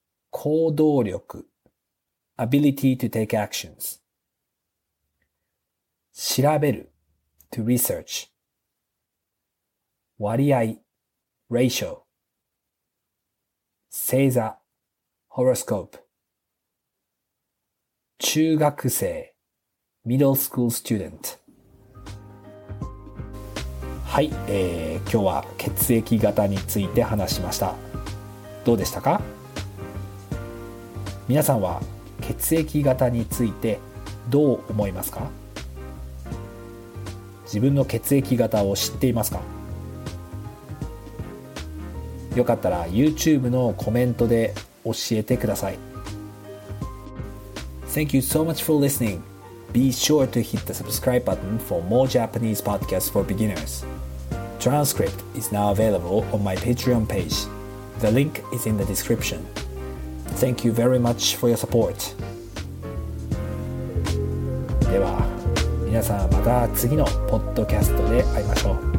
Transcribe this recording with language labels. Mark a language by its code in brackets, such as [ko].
[en] 行動力 Ability to take actions 調べる to research 割合 ratio 星座 horoscope [ja] 中学生 [en] middle school student [ja] はい、今日は血液型について話しました。どうでしたか？皆さんは血液型についてどう思いますか？自分の血液型を知っていますか？よかったら YouTube のコメントで教えてください。 [en] Thank you so much for listening. Be sure to hit the subscribe button for more Japanese podcasts for beginners. Transcript is now available on my Patreon page. The link is in the description. Thank you very much for your support. [ja] では皆さんまた次のポッドキャストで会いましょう。